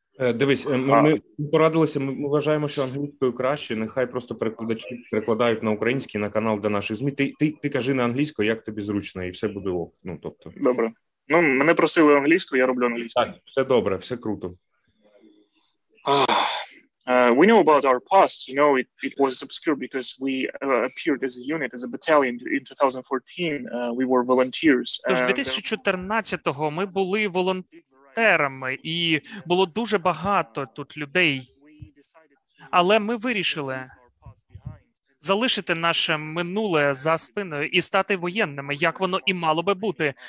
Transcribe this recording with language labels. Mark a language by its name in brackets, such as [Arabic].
[Ukrainian] Дивись, ми порадилися, ми вважаємо, що англійською краще, нехай просто перекладачі перекладають на український, на канал для наших ЗМІ. Ти кажи на англійською, як тобі зручно, і все буде ок. Ну, тобто. Добре. Ну, мене просили англійською, я роблю англійською. Так, все добре, все круто. [English] We know about our past, you know, it was obscure because we appeared as a unit, as a battalion in 2014, we were volunteers. [Ukrainian] Тож 2014-го ми були волонтерами, і було дуже багато тут людей. Але ми вирішили залишити наше минуле за спиною і стати воєнними, як воно і мало би бути.